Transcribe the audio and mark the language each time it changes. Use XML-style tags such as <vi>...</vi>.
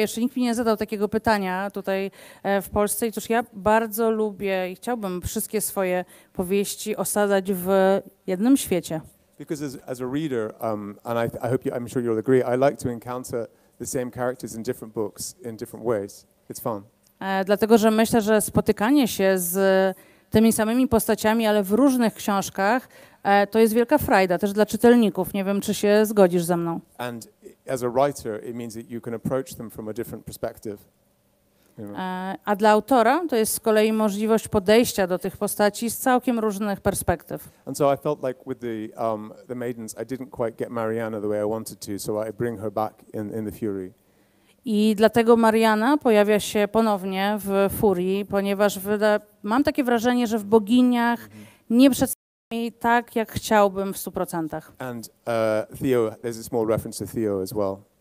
<pl>Jeszcze nikt mi nie zadał takiego pytania tutaj w Polsce. I cóż, ja bardzo lubię i chciałbym wszystkie swoje powieści osadzać w jednym świecie.</pl> <en>Because as a reader, and I hope you, I'm sure you'll agree, I like to encounter the same characters in different books in different ways. It's fun.</en> <pl>Dlatego, że myślę, że spotykanie się z tymi samymi postaciami, ale w różnych książkach, to jest wielka frajda też dla czytelników. Nie wiem, czy się zgodzisz ze mną.</pl> <en>And as a writer, it means that you can approach them from a different perspective.</en> <pl>A dla autora to jest z kolei możliwość podejścia do tych postaci z całkiem różnych perspektyw.</pl> <en>And so I felt like with the maidens I didn't quite get Mariana the way I wanted to, so I bring her back in the Fury.</en> <pl>I dlatego Mariana pojawia się ponownie w Furii, ponieważ mam takie wrażenie, że w Boginiach nie przedstawiam jej tak, jak chciałbym w 100%.</pl> <en>And Theo, there's a small reference to Theo as well.</en>